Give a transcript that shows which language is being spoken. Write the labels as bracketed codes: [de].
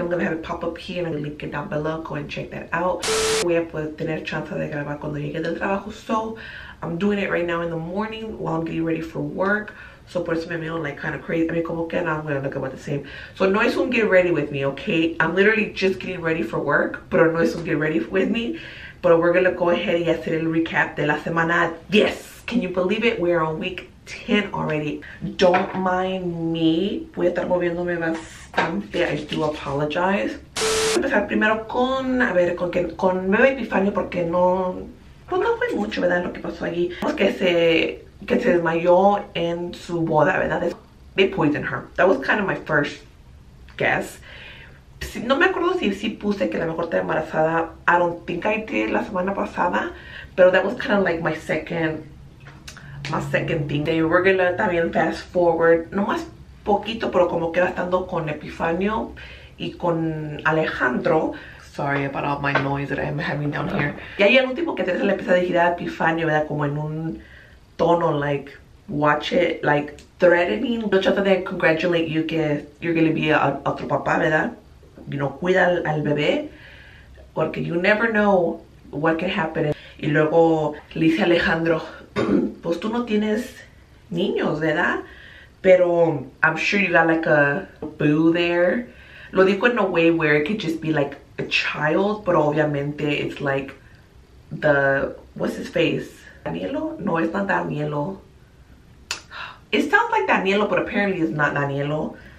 [en] I'm gonna have it pop up here and I'll link it down below. Go and check that out. [es] Voy a poder tener chance de grabar cuando llegue del trabajo. [en] So, I'm doing it right now in the morning while I'm getting ready for work. So, [es] por eso me veo [en] like kind of crazy. I mean, [es] como que no, [en] I'm gonna look about the same. So, [es] no es un [en] get ready with me, okay? I'm literally just getting ready for work, [es] pero no es un [en] get ready with me. But we're gonna go ahead [es] y hacer el recap de la semana 10. [en] Can you believe it? We're on week 10 already. Don't mind me. [es] Voy a estar moviéndome bastante. [en] I do apologize. [es] Voy a empezar primero con, a ver, con Meme Epifanio, porque no, pues no fue mucho, ¿verdad? Lo que pasó allí. Vamos que se... que se desmayó en su boda, ¿verdad? [en] They poisoned her. That was kind of my first guess. [es] Si, no me acuerdo si puse que la mejor está embarazada. [en] I don't think I did [es] la semana pasada. [en] Pero that was kind of like my second thing. They were gonna también fast forward. [es] No más poquito, pero como queda estando con Epifanio y con Alejandro. [en] Sorry about all my noise that I'm having down here. [es] Y ahí el último que se le empezó a dirigir a Epifanio, ¿verdad? Como en un... tono, [en] like, watch it, like, threatening. [es] No trata de [en] congratulate you [es] que [en] you're gonna be [es] a otro papá, ¿verdad? [en] You know, [es] cuida al bebé. [en] Porque you never know what can happen. [es] Y luego le dice a Alejandro, pues tú no tienes niños, ¿verdad? [en] Pero I'm sure you got like a boo there. [es] Lo dijo [en] in a way where it could just be like a child, [es] pero obviamente [en] it's like the, what's his face? Danielo? No, it's not Danielo. It sounds like Danielo, but apparently it's not Danielo.